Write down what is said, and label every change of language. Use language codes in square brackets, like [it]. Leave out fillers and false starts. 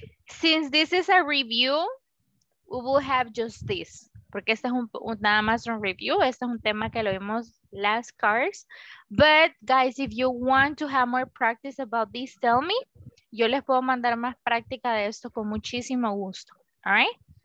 [en] Since this is a review, we will have just this. [es] Porque este es nada más un review, este es un tema que lo vimos [en] last class. But guys, if you want to have more practice about this, tell me. [es] Yo les puedo mandar más práctica de esto con muchísimo gusto, [en] all right?